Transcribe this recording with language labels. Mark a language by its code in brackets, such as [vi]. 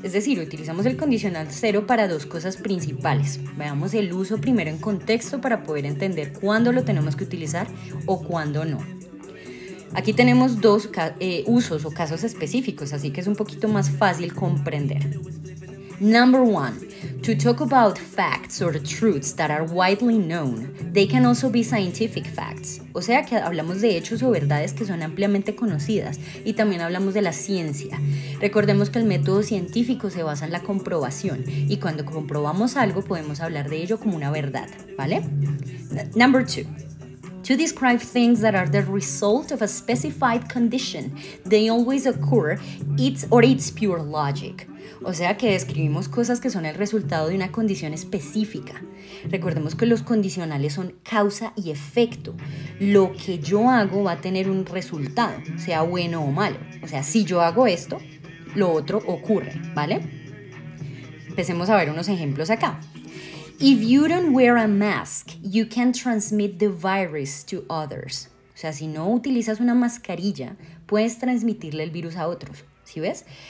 [es] Es decir, utilizamos el condicional 0 para dos cosas principales. Veamos el uso primero en contexto para poder entender cuándo lo tenemos que utilizar o cuándo no. Aquí tenemos dos usos o casos específicos, así que es un poquito más fácil comprender. [en] Number one, to talk about facts or truths that are widely known. They can also be scientific facts. [es] O sea que hablamos de hechos o verdades que son ampliamente conocidas y también hablamos de la ciencia. Recordemos que el método científico se basa en la comprobación y cuando comprobamos algo podemos hablar de ello como una verdad, ¿vale? [en] Number two. To describe things that are the result of a specified condition, they always occur, it's pure logic. [es] O sea que describimos cosas que son el resultado de una condición específica. Recordemos que los condicionales son causa y efecto. Lo que yo hago va a tener un resultado, sea bueno o malo. O sea, si yo hago esto, lo otro ocurre, ¿vale? Empecemos a ver unos ejemplos acá. [en] If you don't wear a mask, you can transmit the virus to others. [es] O sea, si no utilizas una mascarilla, puedes transmitirle el virus a otros. ¿Sí ves?